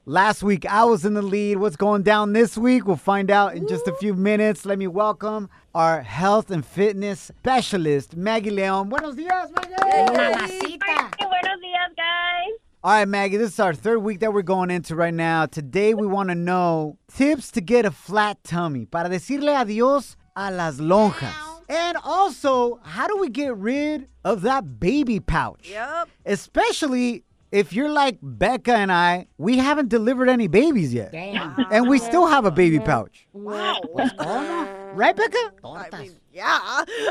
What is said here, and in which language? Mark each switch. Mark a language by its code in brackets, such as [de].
[en] Last week, I was in the lead. What's going down this week? We'll find out in just a few minutes. Let me welcome our health and fitness specialist, Maggie Leon. [es] Buenos dias, Maggie. [en] Hey, mamacita. [es] Buenos dias, [en] guys. All right, Maggie, this is our third week that we're going into right now. Today, we want to know tips to get a flat tummy. [es] Para decirle adios a las lonjas. [en] And also, how do we get rid of that baby pouch? Yep. Especially if you're like Becca and I, we haven't delivered any babies yet. Damn. And we still have a baby pouch. Wow. What's going on? Right, Becca? I mean, yeah.